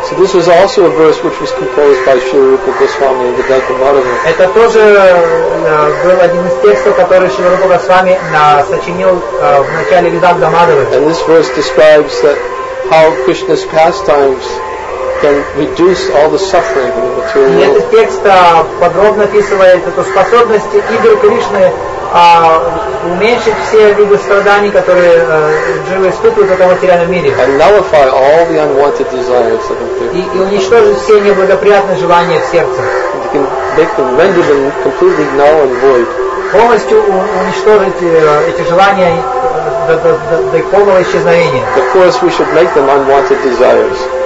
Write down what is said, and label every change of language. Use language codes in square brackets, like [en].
[en] So this was also a verse which was composed by Śrīla Rūpa Gosvāmī in the Vedanta Madhava. [ru] Это тоже был один из текстов, который Śrīla Rūpa Gosvāmī сочинил в начале Vedanta Madhava. [en] And this verse describes that how Krishna's pastimes can reduce all the suffering in the material world. [ru] И этот текст подробно описывает эту способность игр Кришны уменьшить все виды страданий, которые живы испытывают в этом материальном мире. [en] And nullify all the unwanted desires of the [ru] и, и уничтожить все неблагоприятные желания в сердце. [en] They can make them, render them completely null and void. [ru] Полностью уничтожить эти желания до их полного исчезновения. [en] Of course we should make them unwanted desires.